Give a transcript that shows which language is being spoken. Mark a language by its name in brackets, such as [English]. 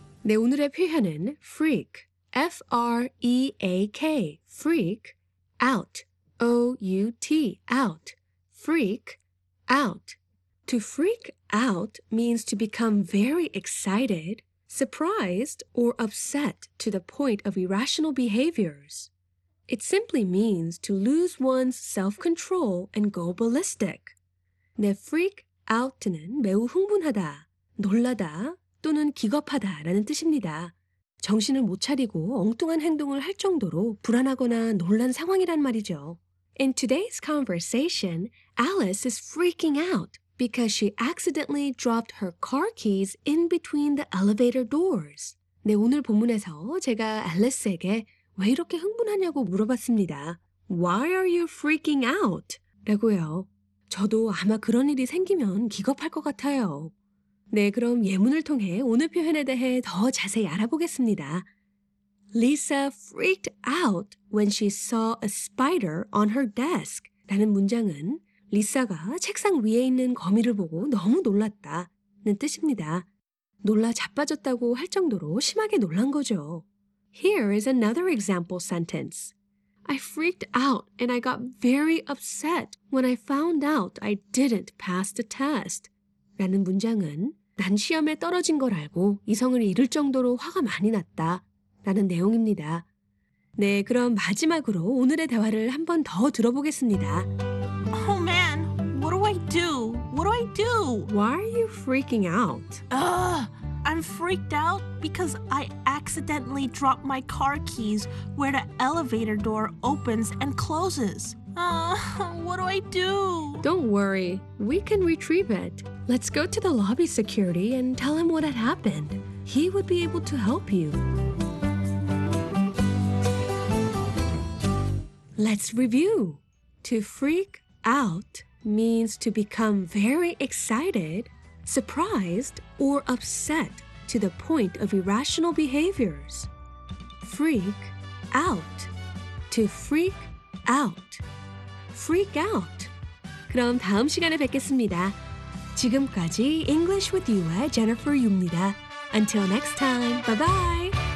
[Korean] 네, 오늘의 표현은 freak, F-R-E-A-K, freak, out, O-U-T, out, freak, out. [English] To freak out means to become very excited, surprised, or upset to the point of irrational behaviors. It simply means to lose one's self-control and go ballistic. [Korean] 네, freak out는 매우 흥분하다, 놀라다, 또는 기겁하다라는 뜻입니다. 정신을 못 차리고 엉뚱한 행동을 할 정도로 불안하거나 놀란 상황이란 말이죠. [English] In today's conversation, Alice is freaking out because she accidentally dropped her car keys in between the elevator doors. [Korean] 네, 오늘 본문에서 제가 알리스에게 왜 이렇게 흥분하냐고 물어봤습니다. [English] Why are you freaking out? [Korean] 라고요. 저도 아마 그런 일이 생기면 기겁할 것 같아요. 네, 그럼 예문을 통해 오늘 표현에 대해 더 자세히 알아보겠습니다. [English] Lisa freaked out when she saw a spider on her desk. [Korean] 라는 문장은 리사가 책상 위에 있는 거미를 보고 너무 놀랐다는 뜻입니다. 놀라 자빠졌다고 할 정도로 심하게 놀란 거죠. [English] Here is another example sentence. I freaked out and I got very upset when I found out I didn't pass the test. [Korean] 라는 문장은 난 시험에 떨어진 걸 알고 이성을 잃을 정도로 화가 많이 났다 라는 내용입니다. 네, 그럼 마지막으로 오늘의 대화를 한 번 더 들어보겠습니다. [English] Oh man, what do I do? What do I do? Why are you freaking out? Ugh, I'm freaked out because I accidentally dropped my car keys where the elevator door opens and closes. What do I do? Don't worry, we can retrieve it. Let's go to the lobby security and tell him what had happened. He would be able to help you. Let's review. To freak out means to become very excited, surprised, or upset to the point of irrational behaviors. Freak out. To freak out. Freak out. [Korean] 그럼 다음 시간에 뵙겠습니다. 지금까지 English with You의 Jennifer Yu입니다. [English] Until next time, bye-bye!